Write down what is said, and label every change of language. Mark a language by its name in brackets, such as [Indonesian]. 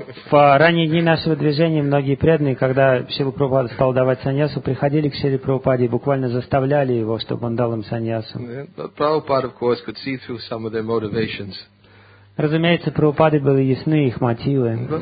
[Russian] В ранние дни нашего движения многие преданные, когда Шрила Прабхупада стал давать саньясу, приходили к Шриле Прабхупаде и буквально заставляли его, чтобы он дал им саньясу. [English] Prabhupada, of course, could see through some of their motivations. [Russian] Разумеется, Прабхупаде были ясны их мотивы.